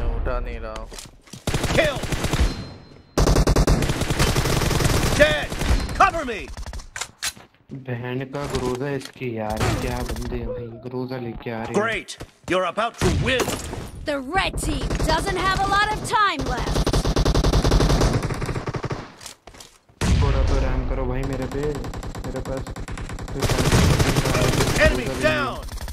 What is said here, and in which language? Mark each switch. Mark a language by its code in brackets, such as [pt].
[hi] नहीं रहा। [en] Kill. Dead. Cover me. [hi] बहन का ग्रोज़ा इसकी यार, क्या बंदे हैं ग्रोज़ा लेके आ रहे। [en] Great. You're about to win. The red team doesn't have a lot of time left. [hi] थोड़ा तो रैम करो भाई मेरे पे, मेरे पास। [en] Enemy down.